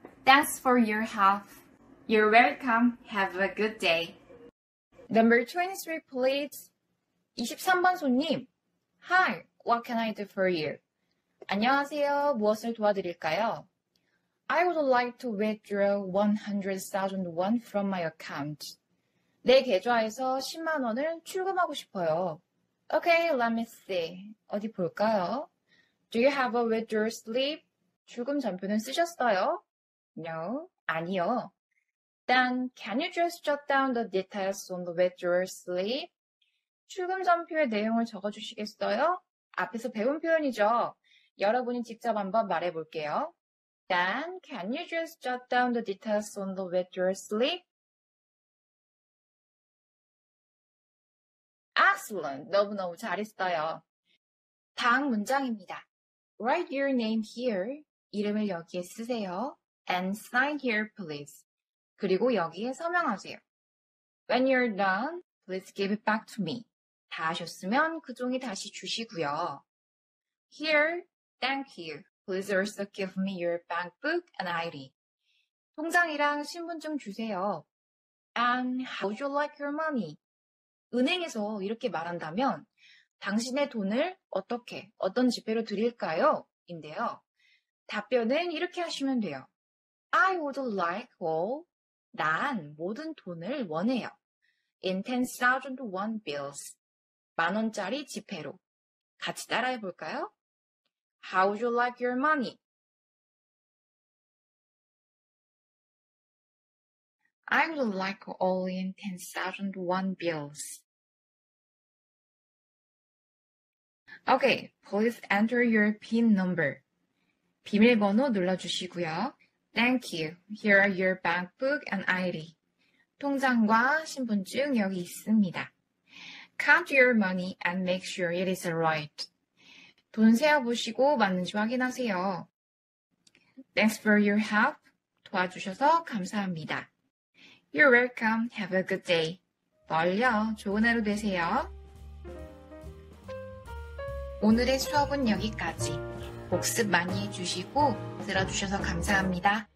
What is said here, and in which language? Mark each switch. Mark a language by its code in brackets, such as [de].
[en] Thanks for your help. You're welcome. Have a good day. Number 23, please. [ko] 23번 손님. [en] Hi, what can I do for you? [ko] 안녕하세요. 무엇을 도와드릴까요? [en] I would like to withdraw 100,000 won from my account. [ko] 내 계좌에서 10만 원을 출금하고 싶어요. [en] Okay, let me see. [ko] 어디 볼까요? [en] Do you have a withdrawal slip? [ko] 출금 전표는 쓰셨어요? [en] No, [ko] 아니요. [en] Then can you just jot down the details on the withdrawal slip? [ko] 출금 전표의 내용을 적어주시겠어요? 앞에서 배운 표현이죠. 여러분이 직접 한번 말해볼게요. [en] Then, can you just jot down the details on the withdrawal slip? Excellent. [ko] 너무너무 잘했어요. 다음 문장입니다. [en] Write your name here. [ko] 이름을 여기에 쓰세요. [en] And sign here, please. [ko] 그리고 여기에 서명하세요. [en] When you're done, please give it back to me. [ko] 다 하셨으면 그 종이 다시 주시고요. [en] Here, thank you. Please also give me your bank book and ID. [ko] 통장이랑 신분증 주세요. [en] And how would you like your money? [ko] 은행에서 이렇게 말한다면 당신의 돈을 어떻게, 어떤 지폐로 드릴까요? 인데요. 답변은 이렇게 하시면 돼요. [en] I would like all. [ko] 난 모든 돈을 원해요. [en] In 10,000 won bills. [ko] 만 원짜리 지폐로. 같이 따라해 볼까요? [en] How would you like your money? I would like all in 10,000 won bills. Okay, please enter your PIN number. [ko] 비밀번호 눌러주시고요. [en] Thank you. Here are your bank book and ID. [ko] 통장과 신분증 여기 있습니다. [en] Count your money and make sure it is right. [ko] 돈 세어보시고 맞는지 확인하세요. [en] Thanks for your help. [ko] 도와주셔서 감사합니다. [en] You're welcome. Have a good day. [ko] 멀려. 좋은 하루 되세요. 오늘의 수업은 여기까지. 복습 많이 해주시고 들어주셔서 감사합니다.